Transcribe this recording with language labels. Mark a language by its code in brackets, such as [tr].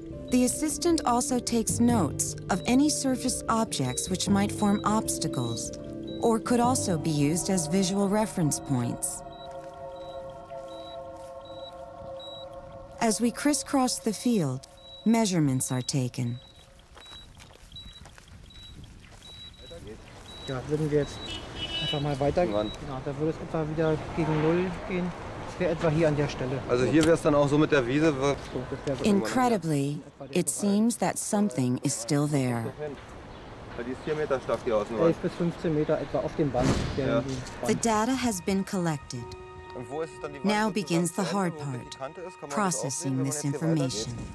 [en] The assistant also takes notes of any surface objects which might form obstacles or could also be used as visual reference points. As we crisscross the field, measurements are taken. [de] Ja, würden wir jetzt einfach mal weiter. Ja, da würde es etwa wieder gegen null gehen. wäre etwa hier an der Stelle. Also hier wäre es dann auch so mit der Wiese. [en] Incredibly, it seems that something is still there. [de] Die ist 4 Meter stark hier außen. 11 bis 15 Meter etwa auf dem Band. Ja. [en] The data has been collected. Now begins the hard part, processing this information.